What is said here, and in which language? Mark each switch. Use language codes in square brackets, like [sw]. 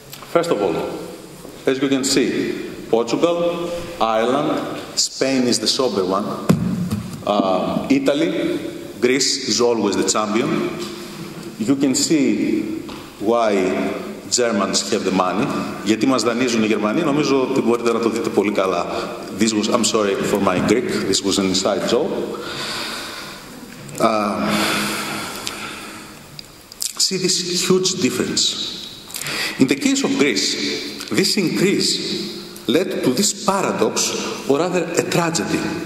[en] First of all, as you can see, Portugal, Ireland, Spain is the sober one, Italy, Greece is always the champion. You can see why Germans have the money. [el] Γιατί μας δανείζουν οι Γερμανοί, νομίζω ότι μπορείτε να το δείτε πολύ καλά. [en] This was, I'm sorry for my Greek, this was an inside joke. See this huge difference. In the case of Greece, this increase led to this paradox, or rather a tragedy.